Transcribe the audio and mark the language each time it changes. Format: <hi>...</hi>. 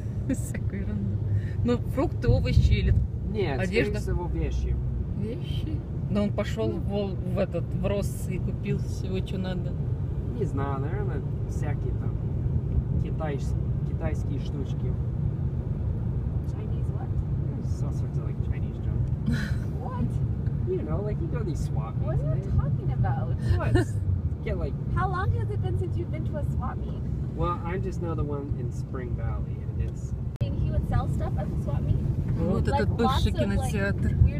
<ru>Всякую ерунду. Ну, фрукты, овощи или нет, одежда? Нет, скорее всего, вещи. Вещи? Да он пошел в этот, в Росс и купил всего, что надо. Не знаю, наверное, всякие там китайские штучки.</ru> <en>Chinese what? Some sort of like Chinese junk. What? You know, like you go to these swap meets. What are you talking about? What? Get like... How long has it been since you've been to a swap meet? Well, I'm just another one in Spring Valley and it's... Sell stuff at the swap meet.</en> <ru>Вот этот бывший кинотеатр.</ru>